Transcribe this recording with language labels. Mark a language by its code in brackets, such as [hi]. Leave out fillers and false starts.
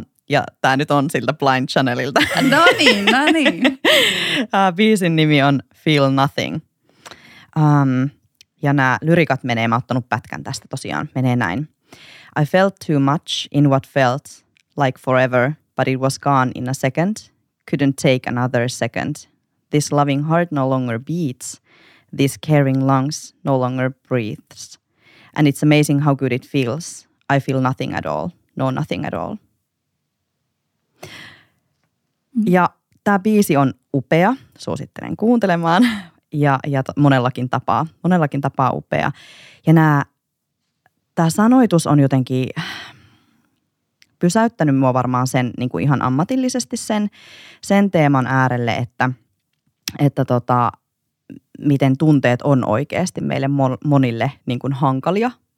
[fi] Ja tää nyt on siltä Blind Channelilta. No niin. Biisin nimi on Feel Nothing. Ja nämä lyrikat menee, mä oon ottanut pätkän tästä tosiaan, menee näin. [en] I felt too much in what felt like forever, but it was gone in a second. Couldn't take another second. This loving heart no longer beats. These caring lungs no longer breathes. And it's amazing how good it feels. I feel nothing at all. No nothing at all. [fi] Ja tämä biisi on upea, suosittelen kuuntelemaan, ja monellakin tapaa upea. Ja tämä sanoitus on jotenkin pysäyttänyt mua varmaan sen, niin kuin ihan ammatillisesti sen teeman äärelle, että miten tunteet on oikeasti meille monille niin kuin hankalia.